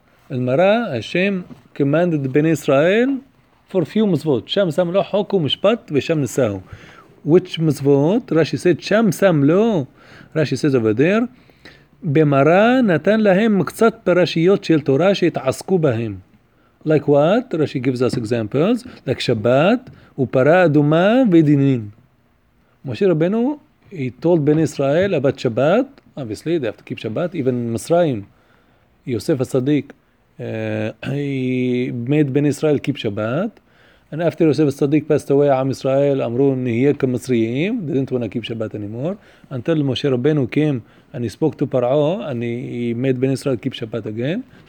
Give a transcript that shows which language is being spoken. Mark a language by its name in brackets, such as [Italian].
[English] In Mara, Hashem commanded Ben Israel for few mitzvot, [Hebrew] Sham Sam Lo, Hoku Mishpat V'sham Nisahu. [English] Which mitzvot? Rashi said, [Hebrew] Sham Sam Lo, [English] Rashi says over there, [Hebrew] במראה נתן להם קצת פרשיות של תורה שהתעסקו בהם. [English] Like what? Rashi gives us examples. Like Shabbat, [Hebrew] ופרה אדומה ודינים. [English] משה רבנו, he told בן ישראל about Shabbat. Obviously, they have to keep Shabbat. Even Mitzrayim, Yosef הצדיק, he made בן ישראל keep Shabbat. And after Yosef הצדיק passed away, [Hebrew] עם ישראל אמרו, נהיה כמצריים. [English] They didn't want to keep Shabbat anymore. Until משה רבנו came, and he spoke to Paro, and he made Ben Israel keep Shabbat again.